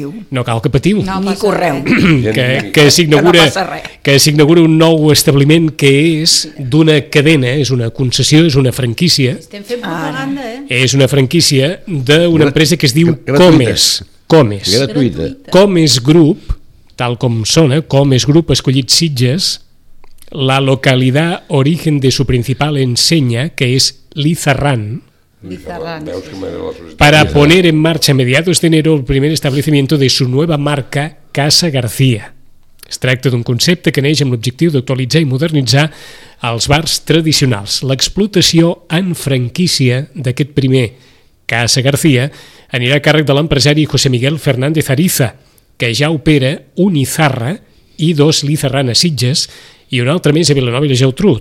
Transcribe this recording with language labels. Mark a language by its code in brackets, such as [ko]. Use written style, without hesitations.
[ca] No cal que patiu. No, ni correu. Que s'inaugura un nou establiment que és d'una cadena, és una concessió, és una franquícia. Estem fent propaganda, eh? És una franquícia d'una empresa que es diu Comes. Comes. Gratuïta. [es] Comes Group, [ca] tal com sona, Comes Group ha escollit Sitges, la localitat origen [es] de su principal enseña, que és Lizarrán, para poner en marcha a mediados de enero el primer establecimiento de su nueva marca Casa García. [ca] Es tracta d'un concepte que neix amb l'objectiu d'actualitzar i modernitzar els bars tradicionals. L'explotació en franquícia d'aquest primer Casa García anirà a càrrec de l'empresari José Miguel Fernández Ariza, que ja opera un Izarra i dos Lizarrana Sitges i un altre més a Vilanova i la Geltrú.